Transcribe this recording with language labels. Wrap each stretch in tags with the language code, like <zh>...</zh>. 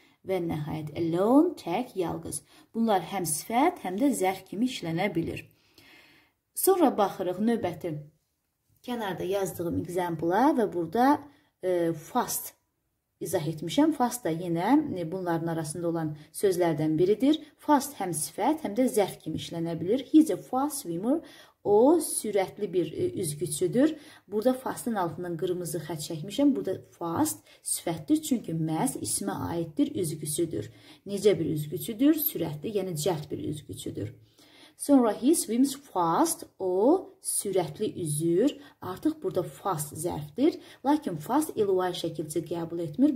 <az>Və nəhayət, alone, tək, yalqız. Bunlar həm sifət, həm də zərf kimi işlənə bilir. Sonra baxırıq növbəti kənarda yazdığım example-a və burada fast izah etmişəm. Fast da yenə bunların arasında olan sözlərdən biridir. Fast həm sifət, həm də zərf kimi işlənə bilir.</az> <en>He's a fast swimmer.</en> <az>O, sürətli bir üzgüçüdür. Burada fastın altından qırmızı xət çəkmişəm. Burada fast sifətdir, çünki məhz ismə aiddir, üzgüçüdür. Necə bir üzgüçüdür? Sürətli, yəni cəld bir üzgüçüdür. Sonra</az> <en>he swims fast.</en> <az>O sürətli üzür. Artıq burada fast zərfdir. Lakin fast ly şəkildə qəbul etmir.</az>